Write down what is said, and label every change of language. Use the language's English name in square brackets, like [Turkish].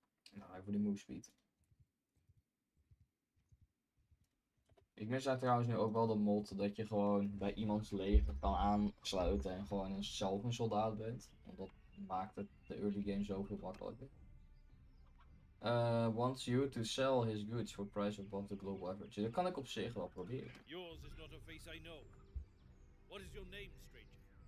[Dutch] Nou, ik voor de move speed. Ik mis daar trouwens nu ook wel de mod dat je gewoon bij iemands leger kan aansluiten en gewoon zelf een soldaat bent. Want dat maakt het de early game zoveel makkelijker. [English] Wants you to sell his goods for price above the global average. [Dutch] Dat kan ik op zich wel proberen. [English] Yours is not a face I know. What is your name, stranger?